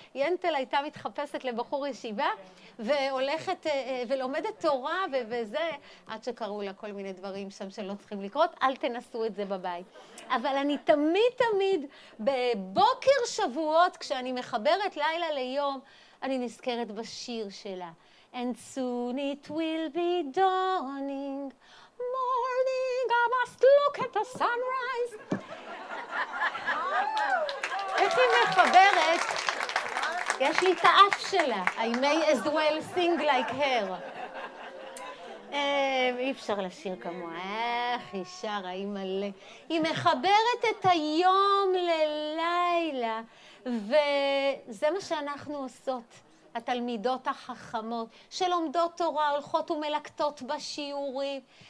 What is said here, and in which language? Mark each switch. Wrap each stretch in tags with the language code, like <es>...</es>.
<he>ינטל הייתה מתחפשת לבחור ישיבה, והולכת ולומדת תורה וזה, עד שקראו לה כל מיני דברים שם שלא צריכים לקרות, אל תנסו את זה בבית. אבל אני תמיד תמיד בבוקר שבועות כשאני מחברת לילה ליום, אני נזכרת בשיר שלה.</he> <en>And soon it will be dawning, morning, I must look at the sunrise. איך</en> <he>יש לי מחברת, יש לי את האף שלה.</he> <en>I may as well sing like her.</en> <he>אי אפשר לשיר כמוה, איך היא שרה, היא מלא. היא מחברת את היום ללילה, וזה מה שאנחנו עושות, התלמידות החכמות, שלומדות תורה, הולכות ומלקטות בשיעורים.</he>